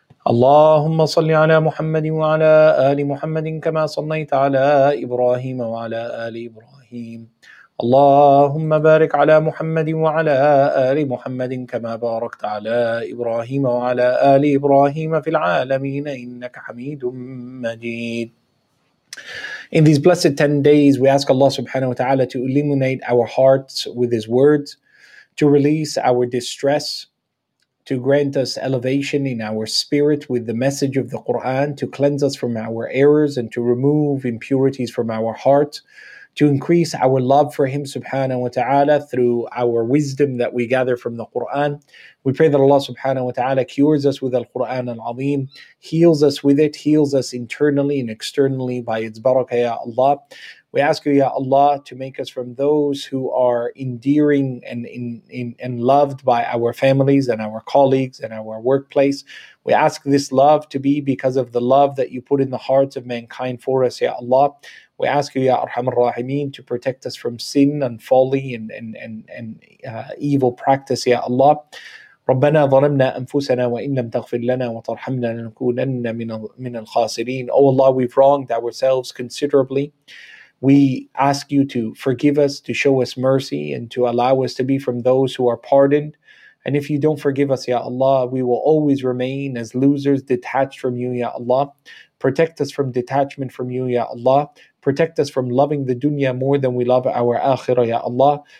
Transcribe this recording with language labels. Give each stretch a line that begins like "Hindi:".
Arabic: اللهم صل على محمد وعلى آل محمد كما صليت على إبراهيم وعلى آل إبراهيم اللهم بارك على محمد وعلى آل محمد كما باركت على إبراهيم وعلى آل إبراهيم في العالمين إنك حميد مجيد.
English: In these blessed 10 days, we ask Allah subhanahu wa ta'ala to illuminate our hearts with His words, to release our distress, to grant us elevation in our spirit with the message of the Quran, to cleanse us from our errors and to remove impurities from our heart, to increase our love for Him subhanahu wa ta'ala through our wisdom that we gather from the Qur'an. We pray that Allah subhanahu wa ta'ala cures us with Al-Qur'an Al-Azim, heals us with it, heals us internally and externally by its barakah, Ya Allah. We ask You, Ya Allah, to make us from those who are endearing and loved by our families and our colleagues and our workplace. We ask this love to be because of the love that You put in the hearts of mankind for us, Ya Allah. We ask You, Ya Arhamar Rahimeen, to protect us from sin and folly and evil practice, Ya Allah.
Arabic: رَبَّنَا ظَلَمْنَا أَنفُسَنَا وَإِنْ لَمْ تَغْفِرْ لَنَا وَتَرْحَمْنَا لَنَكُونَنَّ مِنَ الْخَاسِرِينَ
English: O Allah, we've wronged ourselves considerably. We ask You to forgive us, to show us mercy, and to allow us to be from those who are pardoned. And if You don't forgive us, Ya Allah, we will always remain as losers detached from You, Ya Allah. Protect us from detachment from You, Ya Allah. Protect us from loving the dunya more than we love our akhirah, Ya Allah.